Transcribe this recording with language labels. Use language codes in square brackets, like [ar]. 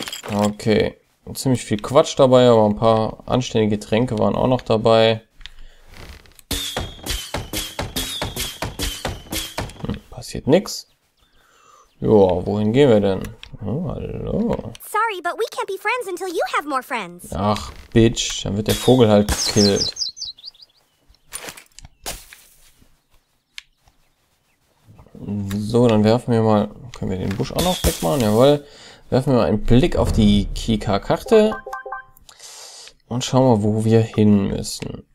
[de] Okay, ziemlich viel Quatsch dabei, aber ein paar anständige Tränke waren auch noch dabei. Passiert nichts. Joa, wohin gehen wir denn? Oh, hallo. [en] Sorry, but we can't be friends until you have more friends. [de] Ach, Bitch, dann wird der Vogel halt gekillt. So, dann werfen wir mal. Können wir den Busch auch noch wegmachen? Jawohl. Werfen wir mal einen Blick auf die Kika-Karte. Und schauen mal, wo wir hin müssen.